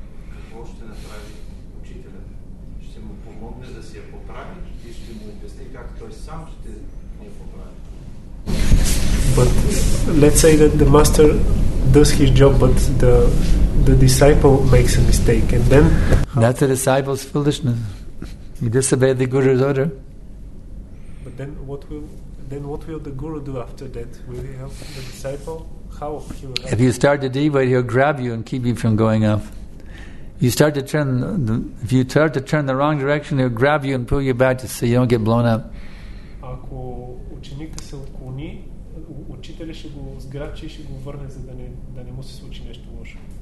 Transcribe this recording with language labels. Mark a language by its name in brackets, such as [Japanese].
[Bulgarian] какво ще направи учителя. Ще му помогне да си я поправи и ще му обясни как той сам ще я поправи. [English] But let's say that the master does his job, but the disciple makes a mistake, and then that's the disciple's foolishness. He disobeyed the guru's order. But then what will the guru do after that? Will he help the disciple? How he will? If you start to deviate, he'll grab you and keep you from going up. You start to turn if you start to turn the wrong direction, he'll grab you and pull you back to so you don't get blown up. [Bulgarian] Ако ученикът се отклони, учителя ще го сграбчи и ще го върне, за да не му се случи нещо лошо.